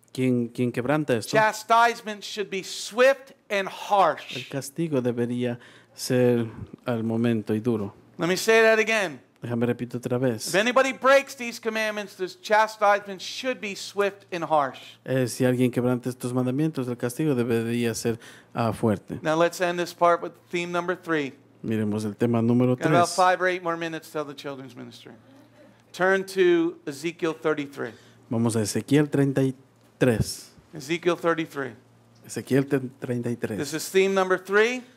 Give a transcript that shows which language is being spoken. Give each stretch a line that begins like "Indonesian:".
Spanish: quien quebranta esto,
English: chastisement should be swift and harsh.
Spanish: El castigo debería ser al momento y duro.
English: Let me say that again.
Spanish: Déjame repito otra vez.
English: If anybody breaks these commandments, this chastisement should be swift and harsh.
Spanish: Si alguien quebranta estos mandamientos, el castigo debería ser fuerte.
English: Now let's end this part with theme number 3.
Spanish: Miremos el tema número 3.
English: Got about 5 or 8 more minutes till the children's ministry. Turn to Ezekiel 33.
Spanish: Vamos a Ezequiel 33.
English: Ezekiel 33.
Spanish: Ezequiel 33.
English: This is theme number 3.